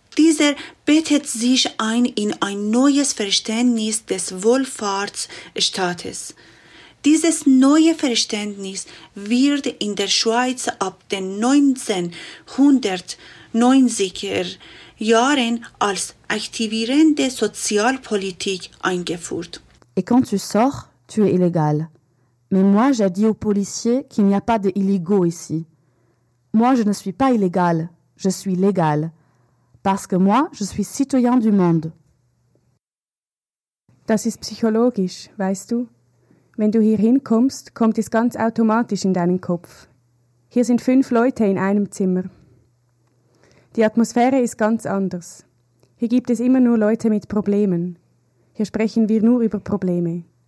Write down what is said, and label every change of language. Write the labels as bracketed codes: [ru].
[de] Dieser bettet sich ein in ein neues Verständnis des Wohlfahrtsstaates. Dieses neue Verständnis wird in der Schweiz ab den 1990er Jahren als aktivierende Sozialpolitik eingeführt. [fr] Et quand tu sors, tu es illégal. Mais moi, j'ai dit aux policiers qu'il n'y a pas d'illégaux ici. Moi, je ne suis pas illégal, je suis légal. Parce que moi, je suis citoyen du monde. [de] Das ist psychologisch, weißt du? Wenn du hier hinkommst, kommt es ganz automatisch in deinen Kopf. Hier sind 5 Leute in einem Zimmer. Die Atmosphäre ist ganz anders. Hier gibt es immer nur Leute mit Problemen. Hier sprechen wir nur über Probleme.